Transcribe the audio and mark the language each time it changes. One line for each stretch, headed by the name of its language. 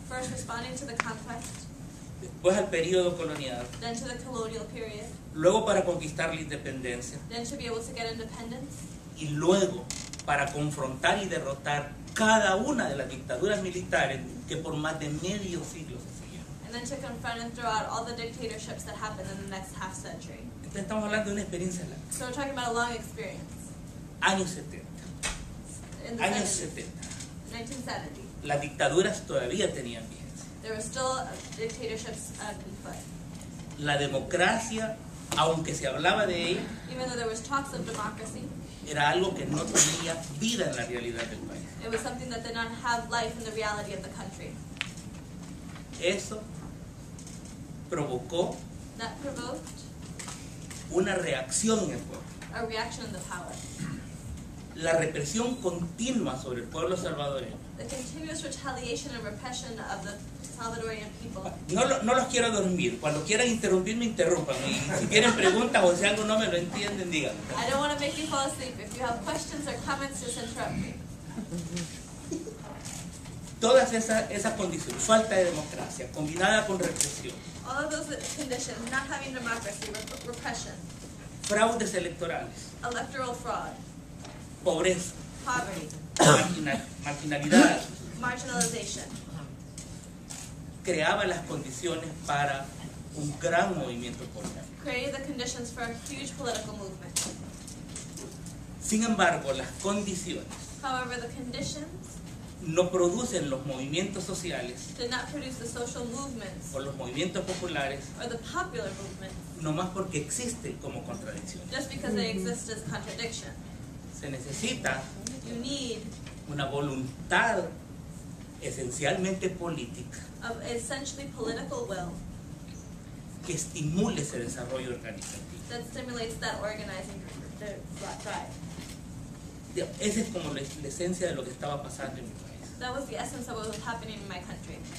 English: first responding to the conquest,
Spanish: después al periodo colonial,
English: then to the colonial period,
Spanish: luego para conquistar la independencia,
English: then to be able to get independence,
Spanish: y luego para confrontar y derrotar cada una de las dictaduras militares que por más de medio siglo se siguieron,
English: and then to confront and throw out all the dictatorships that happened in the next half century.
Spanish: Entonces estamos hablando de una experiencia larga.
English: So we're talking about a long experience.
Spanish: Años 70. Años 70.
English: 1970.
Spanish: Las dictaduras todavía tenían vigencia.
English: There were still dictatorships in foot.
Spanish: La democracia, aunque se hablaba de ella,
English: even though there was talks of democracy,
Spanish: era algo que no tenía vida en la realidad del país.
English: It was something that did not have life in the reality of the country.
Spanish: Eso provocó,
English: that provoked,
Spanish: una reacción en el pueblo.
English: A reaction in the power.
Spanish: La represión continua sobre el pueblo salvadoreño.
English: The continuous retaliation and repression of the Salvadorian people.
Spanish: No los quiero dormir. Cuando quieran interrumpirme, interrumpan. Y si tienen preguntas o si algo no me lo entienden, digan.
English: I don't want to make you fall asleep. If you have questions or comments, just interrupt me.
Spanish: Todas esas condiciones, falta de democracia, combinada con represión.
English: All of those conditions, not having democracy, repression.
Spanish: Fraudes electorales.
English: Electoral fraud.
Spanish: Pobreza.
English: Poverty.
Spanish: Marginalidad.
English: Marginalization.
Spanish: Creaba las condiciones para un gran movimiento popular.
English: Created the conditions for a huge political movement.
Spanish: Sin embargo, las condiciones,
English: however, the conditions
Spanish: no producen los movimientos sociales,
English: did not produce the social movements
Spanish: o los movimientos populares,
English: or the popular movements,
Spanish: no más porque existen como contradicción.
English: Just because they exist as contradiction.
Spanish: Se necesita,
English: you need
Spanish: una voluntad esencialmente política,
English: of essentially political will,
Spanish: que estimule ese desarrollo organizativo,
English: that stimulates that organizing drive.
Spanish: Esa es como la esencia de lo que estaba pasando en mi país.
English: That was the essence of what was happening in my country.